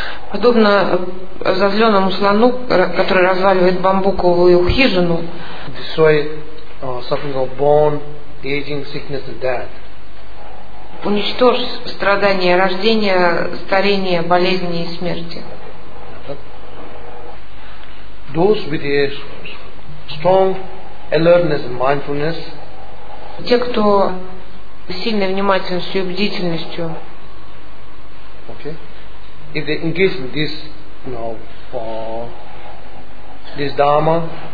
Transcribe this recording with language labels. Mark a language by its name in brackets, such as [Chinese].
[Russian] Подобно разозленному слону, который разваливает бамбуковую хижину. [English] Destroy suffering of born, aging, sickness, and death. [Russian] Уничтожь страдания рождения, старения, болезни и смерти. [English] Those with a strong alertness and mindfulness. [Russian] Те, кто с сильной внимательностью и бдительностью. [English] Okay. If they engage in this, this dharma.